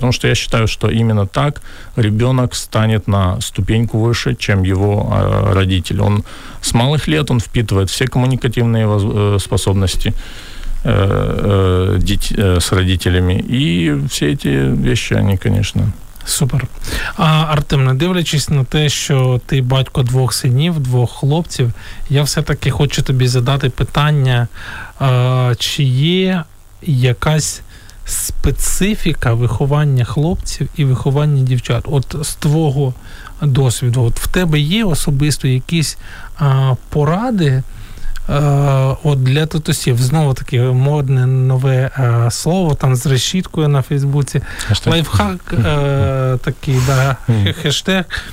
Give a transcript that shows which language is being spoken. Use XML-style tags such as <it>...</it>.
<ru>Потому что я считаю, что именно так ребенок станет на ступеньку выше, чем его родители. Он с малых лет он впитывает все коммуникативные способности с родителями. И все эти вещи, они, конечно... Супер.</ru> <uk>А, Артем, не дивлячись на те, що ти батько двох синів, двох хлопців, я все-таки хочу тобі задати питання, чи є якась специфіка виховання хлопців і виховання дівчат? От з твого досвіду, от в тебе є особисто якісь поради от для татусів? Знову-таки модне нове слово там з решіткою на Фейсбуці. Хештег. Лайфхак такий, да, хештег.</uk>